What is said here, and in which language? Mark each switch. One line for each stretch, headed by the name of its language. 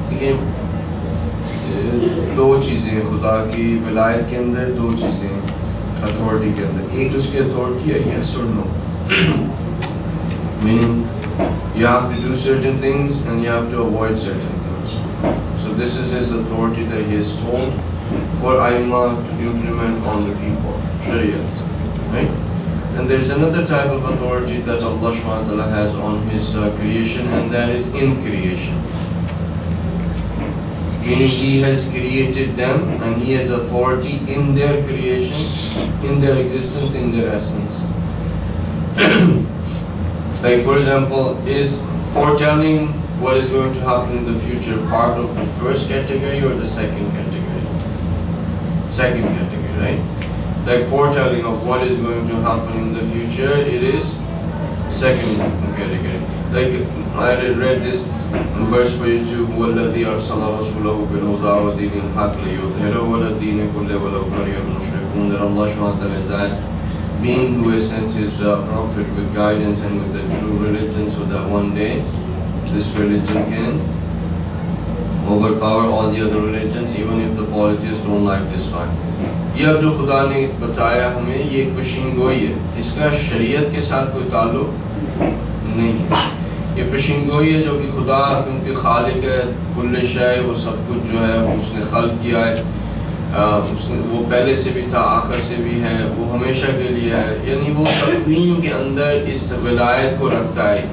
Urdu: لیکن دو چیزیں خدا کی ولایت کے اندر، دو چیزیں اتھارٹی کے اندر، ایک اس کی اتھارٹی ہے
English: Yes اور no, meaning you have to do certain things and you have to avoid certain things, so this is his authority that he has told for آئما to implement on the people شریعت، right? And there is another type of authority that اللہ سبحانہ وتعالیٰ has on his creation and that is in creation. Meaning he has created them and he has authority in their creation, in their existence, in their essence. Like for example, is foretelling what is going to happen in the future part of the first category or the second category? Second category, right? Like foretelling of what is going to happen in the future, it is second category. Like I read this verse by YouTube,
Arabic: هو الذي أرسل رسوله بالهدى ودين الحق ليظهره على الدين كله ولو كره المشركون.
English: That Allah SWT is that being who has sent his prophet with guidance and with the true religion so that one day this religion can overpower all the other religions even if the politicians don't like this one.
Urdu: یہ جو خدا نے بتایا ہمیں یہ پیشین گوئی ہے، اس کا شریعت کے ساتھ کوئی تعلق نہیں ہے، یہ پیشین گوئی ہے جو کہ خدا کیونکہ خالق ہے کل شے، وہ سب کچھ جو ہے اس نے خلق کیا ہے، اس نے وہ پہلے سے بھی تھا، آخر سے بھی ہے، وہ ہمیشہ کے لیے ہے، یعنی وہ تقویم کے اندر اس ولایت کو رکھتا ہے.